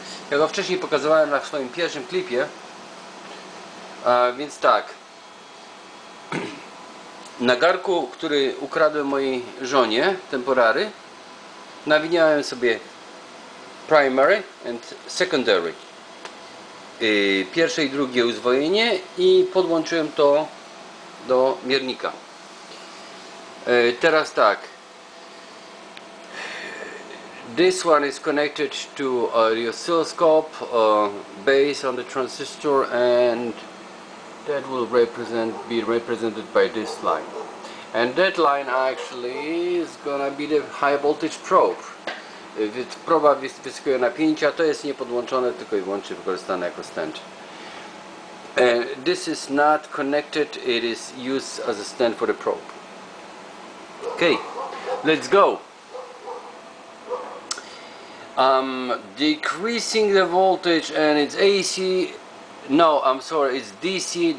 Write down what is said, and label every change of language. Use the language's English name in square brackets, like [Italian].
[Polish] Ja go wcześniej pokazywałem na swoim pierwszym klipie, więc tak, na garku, który ukradłem mojej żonie temporary, nawiniałem sobie [English] primary and secondary, [Polish] pierwsze i drugie uzwojenie, i podłączyłem to do miernika. Teraz tak, [English] this one is connected to the oscilloscope, based on the transistor, and that will be represented by this line. And that line actually is gonna be the high voltage probe. [Polish] Więc proba wysokiego napięcia, to jest niepodłączone, tylko i wyłącznie wykorzystane jako stand. [English] This is not connected, it is used as a stand for the probe. Okay, let's go. Decreasing the voltage, and it's AC. No, I'm sorry, it's DC.